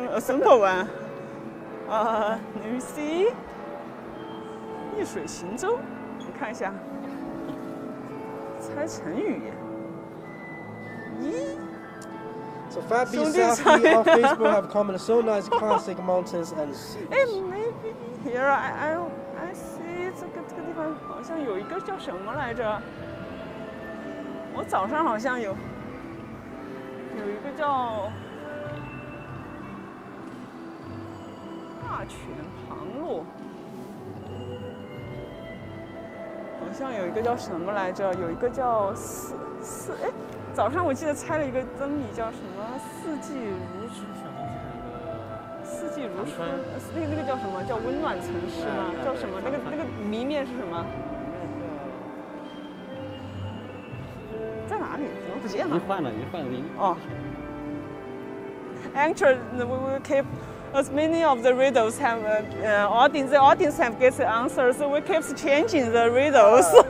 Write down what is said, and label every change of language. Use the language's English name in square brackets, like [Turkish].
[English] A simple one. Let me see. [Chinese] 逆水行舟.你看一下.猜成语. [English] So Fabi and Safi on Facebook have commented, so nice, classic mountains and seas. And maybe here I see it's a good. [Chinese] 看好像有一个叫什么来着，我早上好像有一个叫大泉旁路，好像有一个叫什么来着，有一个叫四哎，早上我记得猜了一个灯谜叫什么四季如春，四季如春，那个叫什么，叫温暖城市吗，叫什么，那个谜面是什么，在哪里，怎么不见了，你换了 [English] Actually, we keep as many of the riddles have the audience have get the answers, so we keep changing the riddles.